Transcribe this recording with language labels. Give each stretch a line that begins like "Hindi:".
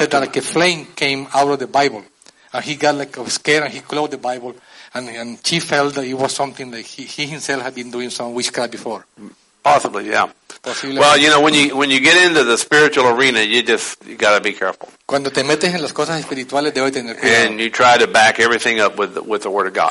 English: Said that like a flame came out of the Bible, and he got like scared and he closed the Bible, and she felt that it was something that he himself had been doing some witchcraft before. Possibly, yeah. Well, you know, when you get into the spiritual arena, you got to be careful.
Spanish: Cuando te metes en las cosas espirituales, debes tener cuidado.
English: And you try to back everything up with the word of God.